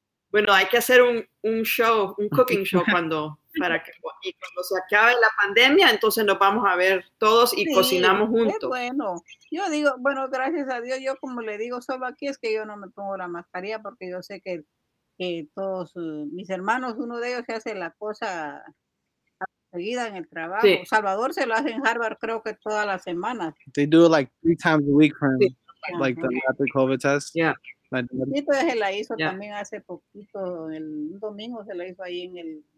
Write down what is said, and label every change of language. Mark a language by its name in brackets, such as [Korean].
[Spanish] Bueno, hay que hacer un show, un cooking show cuando se acabe la pandemia, entonces nos vamos a ver todos y cocinamos juntos. Bueno, yo digo, bueno, gracias a Dios, yo como le digo, solo aquí es que yo no me pongo la mascarilla porque yo sé que todos mis hermanos, uno de ellos se hace la cosa seguida en el trabajo. Sí. Salvador se lo hace en Harvard, creo que todas las semanas. [English] They do it like 3 times a week for him. Sí. Like the rapid COVID test. Yeah. [Spanish] Sí, pues se la hizo también hace poquito, el domingo se la hizo ahí en el